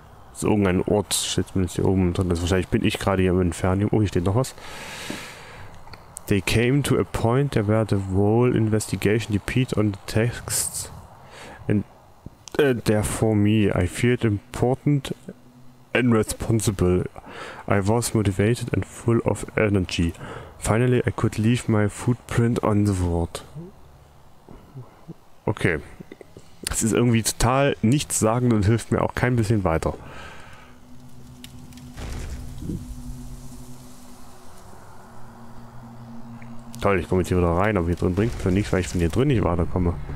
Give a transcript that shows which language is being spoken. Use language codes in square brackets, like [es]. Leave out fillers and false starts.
[de] Das ist irgendein Ort, steht zumindest hier oben drin. Das ist wahrscheinlich, bin ich gerade hier im Infernium. Oh, hier steht noch was. [en] They came to a point where the whole investigation depended on the texts and therefore me. I feared important and responsible. I was motivated and full of energy. Finally, I could leave my footprint on the world. Okay. [de] Das ist irgendwie total nichtssagend und hilft mir auch kein bisschen weiter. Toll, ich komme jetzt hier wieder rein, aber hier drin bringt mir nichts, weil ich von hier drin nicht weiterkomme.